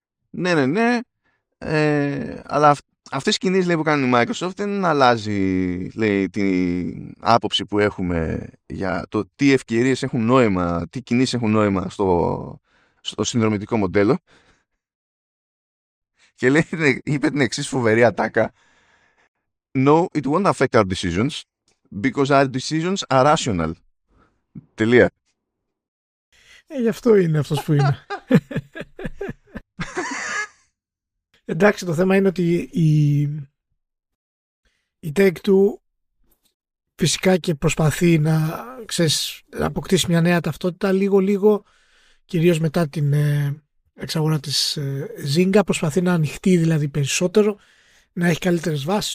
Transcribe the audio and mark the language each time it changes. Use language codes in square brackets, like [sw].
[el] Ναι, ναι, ναι, αλλά αυτές οι κινήσεις, λέει, που κάνει η Microsoft δεν αλλάζει, λέει, την άποψη που έχουμε για το τι ευκαιρίες έχουν νόημα, τι κινήσεις έχουν νόημα στο συνδρομητικό μοντέλο. Και λέει, είπε την εξής φοβερή ατάκα. [en] No, it won't affect our decisions because our decisions are rational. [el] Τελεία. Γι' αυτό είναι αυτός που είναι. Εντάξει, το θέμα είναι ότι η Take-Two φυσικά και προσπαθεί να, ξέρεις, να αποκτήσει μια νέα ταυτότητα λίγο-λίγο, κυρίως μετά την εξαγορά της Zynga, προσπαθεί να ανοιχτεί δηλαδή περισσότερο, να έχει καλύτερες βάσεις.